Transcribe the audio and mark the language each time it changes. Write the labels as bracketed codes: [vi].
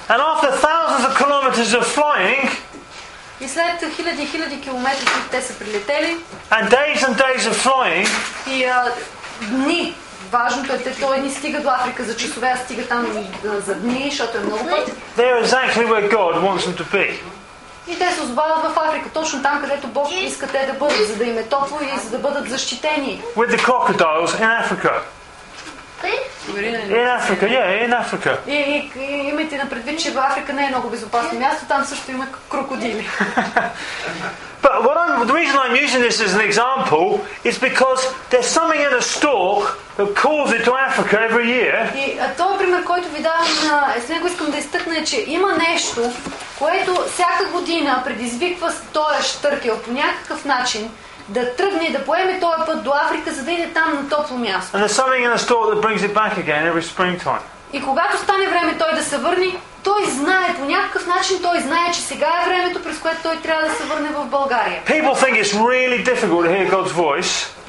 [en] And after thousands of kilometers of flying. [bg] И след хиляди километри, които те са прилетели. [en] And days and days of flying. [bg] И дни. Важното е, че той не стига до Африка за часове, а стига там за дни, защото е много път. [en] They're exactly where God wants them to be. [bg] И те се озовават в Африка, точно там, където Бог иска те да бъдат, за да им е топло и за да бъдат защитени. [en] With the crocodiles in Africa. In Africa, yeah, in Africa. [bg] И имайте на предвид, че в Африка не е много безопасно място, там също има крокодили. [en] But what I'm, the reason I'm using this as an example is because there's something in a stalk that calls it to Africa every year. [bg] И този пример, който ви давам, с него искам да изтъкна, че има нещо, което всяка година предизвиква този щъркел по някакъв начин да тръгне и да поеме този път до Африка, за да иде там на топло място. [en] And there's something in a stalk that brings it back again every springtime. [bg] И когато стане време той да се върне, той знае, по някакъв начин той знае, че сега е времето, през което той трябва да се върне в България. [en] People think it's really difficult to hear God's voice.